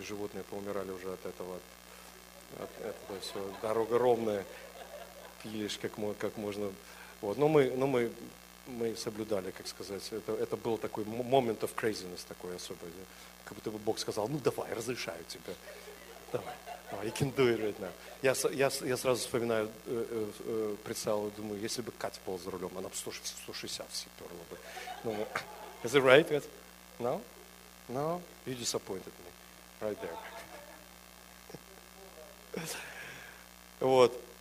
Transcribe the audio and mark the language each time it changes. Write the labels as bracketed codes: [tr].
[ru] Животные поумирали уже от этого. От этого все, дорога ровная. Пилишь как можно. Вот, но мы соблюдали, как сказать. Это был такой [en] moment of craziness [ru] такой особый. Как будто бы Бог сказал, ну давай, разрешаю тебе. Давай, [en] you can do it right now. [ru] Я сразу вспоминаю прицел, думаю, если бы Катя была за рулем, она бы 160 все перла бы. [en] Is it right, Kat? No? No? You disappointed me. Right there. [ru] Вот.